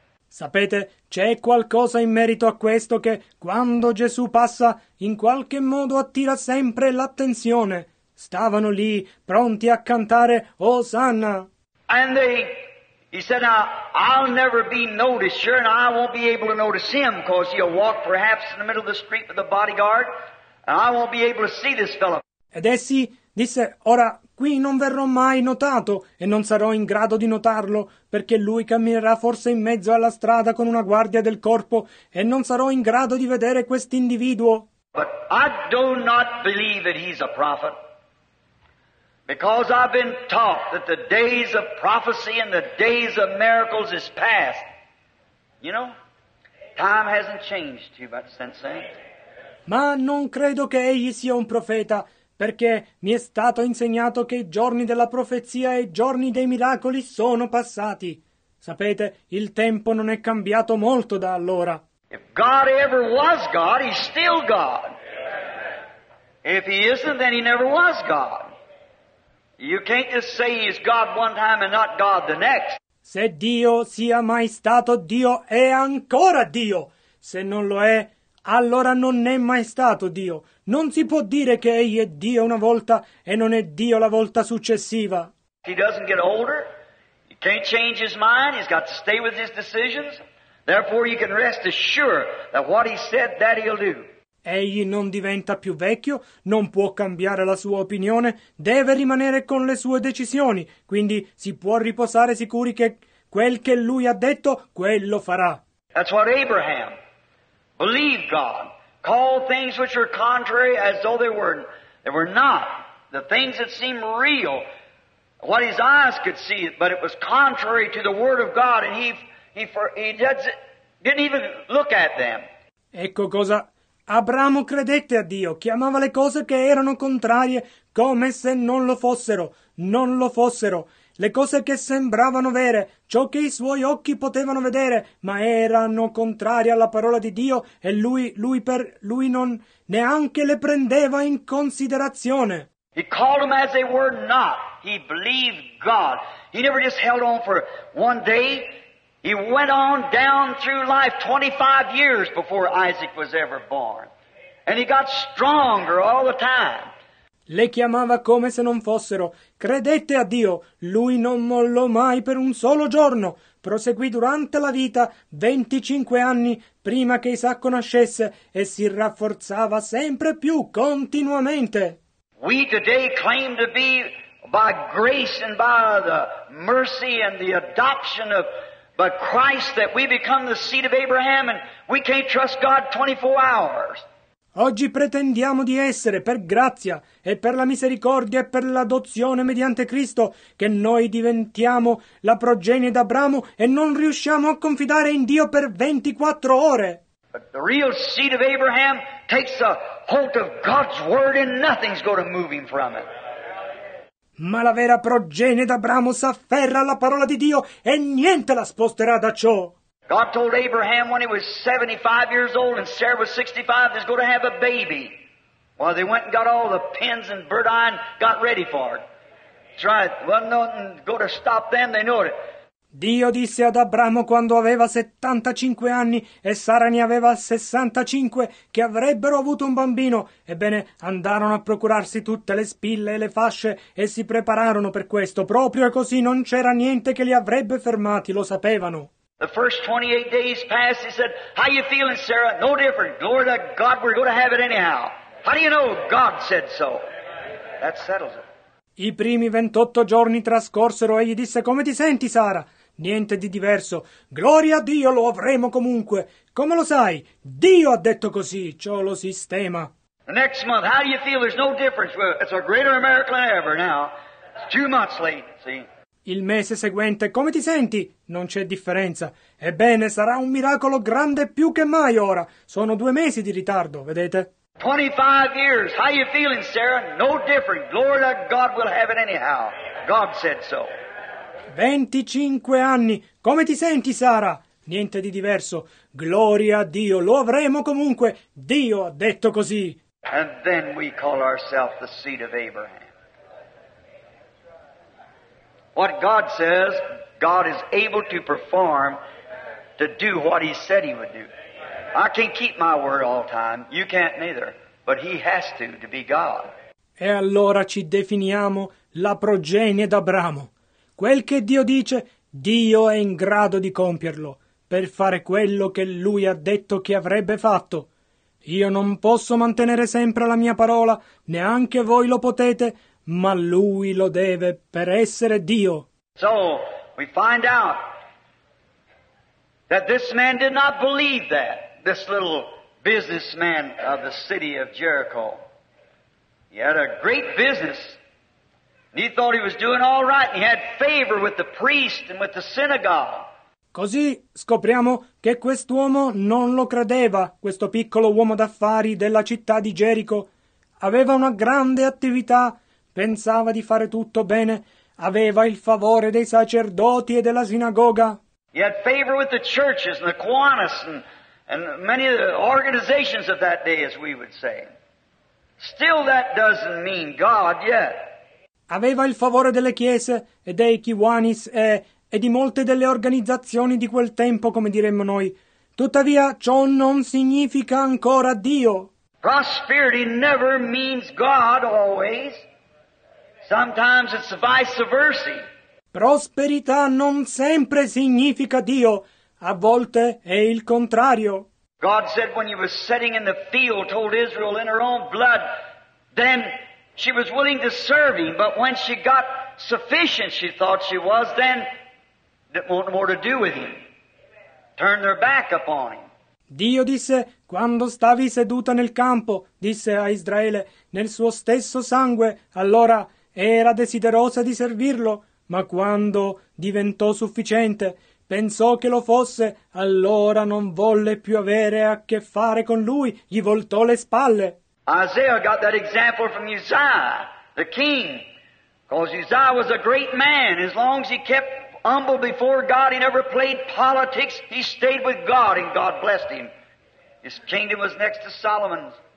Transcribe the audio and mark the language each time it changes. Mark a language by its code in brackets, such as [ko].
[it] Sapete, c'è qualcosa in merito a questo che, quando Gesù passa, in qualche modo attira sempre l'attenzione. Stavano lì, pronti a cantare Hosanna. [en] And he said, now, I'll never be noticed, sure, and I won't be able to notice him, because he'll walk perhaps in the middle of the street with the bodyguard, and I won't be able to see this fellow. [it] Ed essi disse, ora, qui non verrò mai notato e non sarò in grado di notarlo, perché lui camminerà forse in mezzo alla strada con una guardia del corpo e non sarò in grado di vedere quest'individuo. [en] But I do not believe that he's a prophet, because I've been taught that the days of prophecy and the days of miracles is past. You know, time hasn't changed too much since then. [it] Ma non credo che egli sia un profeta, perché mi è stato insegnato che i giorni della profezia e i giorni dei miracoli sono passati. Sapete, il tempo non è cambiato molto da allora. [en] If God ever was God, he's still God. If he isn't, then he never was God. You can't just say he's God one time and not God the next. [it] Se Dio sia mai stato Dio, è ancora Dio. Se non lo è, allora non è mai stato Dio. Non si può dire che egli è Dio una volta e non è Dio la volta successiva. [en] He doesn't get older. He can't change his mind. He's got to stay with his decisions. Therefore you can rest assured that what he said, that he'll do. [it] Egli non diventa più vecchio, non può cambiare la sua opinione, deve rimanere con le sue decisioni. Quindi si può riposare sicuri che quel che lui ha detto, quello farà. [en] That's what Abraham believed God. Call things which are contrary as though they were not. The things that seem real, what his eyes could see, but it was contrary to the word of God, and he didn't even look at them. [it] Ecco cosa Abramo credette a Dio, chiamava le cose che erano contrarie come se non lo fossero, non lo fossero. Le cose che sembravano vere, ciò che i suoi occhi potevano vedere, ma erano contrarie alla parola di Dio e lui non neanche le prendeva in considerazione. [en] He called them as they were not. He believed God. He never just held on for one day. He went on down through life 25 years before Isaac was ever born. And he got stronger all the time. [it] Le chiamava come se non fossero. Credette a Dio. Lui non mollò mai per un solo giorno. Proseguì durante la vita 25 anni prima che Isacco nascesse e si rafforzava sempre più continuamente. [en] We today claim to be by grace and by the mercy and the adoption of by Christ that we become the seed of Abraham and we can't trust God 24 hours. [it] Oggi pretendiamo di essere, per grazia e per la misericordia e per l'adozione mediante Cristo, che noi diventiamo la progenie d'Abramo e non riusciamo a confidare in Dio per 24 ore. [en] But the real seed of Abraham takes a hold of God's word and nothing's going to move him from it. [it] Ma la vera progenie d'Abramo s'afferra alla parola di Dio e niente la sposterà da ciò. [en] God told Abraham when he was 75 years old and Sarah was 65, he's going to have a baby. Well, they went and got all the pins and bird iron, got ready for it. That's right. Wasn't nothing going to stop them, they knew it. [it] Dio disse ad Abramo quando aveva 75 anni e Sara ne aveva 65 che avrebbero avuto un bambino. Ebbene, andarono a procurarsi tutte le spille e le fasce e si prepararono per questo. Proprio così non c'era niente che li avrebbe fermati, lo sapevano. [en] The first 28 days passed, he said, how you feeling, Sarah? No different. Glory to God, we're going to have it anyhow. How do you know God said so? That settles it. [it] I primi 28 giorni trascorsero, egli disse, come ti senti, Sara? Niente di diverso. Gloria a Dio, lo avremo comunque. Come lo sai? Dio ha detto così, ciò lo sistema. [en] The next month, how do you feel? There's no difference. Well, it's a greater miracle than ever now. It's 2 months late, see? [it] Il mese seguente, come ti senti? Non c'è differenza. Ebbene, sarà un miracolo grande più che mai ora. Sono 2 mesi di ritardo, vedete? [en] 25 years. How you feeling, Sarah? No different. Glory to God, we'll have it anyhow. God said so. [it] 25 anni. Come ti senti, Sara? Niente di diverso. Gloria a Dio. Lo avremo comunque. Dio ha detto così. [en] And then we call ourselves the seed of Abraham. What God says, God is able to perform to do what He said He would do. I can't keep my word all time. You can't neither. But He has to be God. [it] E allora ci definiamo la progenie d'Abramo. Quel che Dio dice, Dio è in grado di compierlo per fare quello che Lui ha detto che avrebbe fatto. Io non posso mantenere sempre la mia parola, neanche voi lo potete, ma Lui lo deve per essere Dio. [en] So, we find out that this man did not believe that, this little businessman of the city of Jericho. He had a great business, and he thought he was doing all right, and he had favor with the priest and with the synagogue. [it] Così scopriamo che quest'uomo non lo credeva, questo piccolo uomo d'affari della città di Gerico. Aveva una grande attività, pensava di fare tutto bene, aveva il favore dei sacerdoti e della sinagoga. [en] He had favor with the churches and the Kiwanis and many of the organizations of that day, as we would say. Still that doesn't mean God yet. [it] Aveva il favore delle chiese e dei Kiwanis e di molte delle organizzazioni di quel tempo, come diremmo noi. Tuttavia ciò non significa ancora Dio. [en] Prosperity never means God always. Sometimes it's vice versa. [it] Prosperità non sempre significa Dio, a volte è il contrario. [en] God said when he was sitting in the field, told Israel in her own blood, then she was willing to serve him, but when she got sufficient, she thought she was, then didn't want more to do with him. Turned their back upon him. [it] Dio disse, quando stavi seduta nel campo, disse a Israele, nel suo stesso sangue, allora era desiderosa di servirlo, ma quando diventò sufficiente, pensò che lo fosse, allora non volle più avere a che fare con lui, gli voltò le spalle. [en] Isaiah got that example from Uzziah, the king, because Uzziah was a great man. As long as he kept humble before God, he never played politics, he stayed with God and God blessed him. His kingdom was next to Solomon's.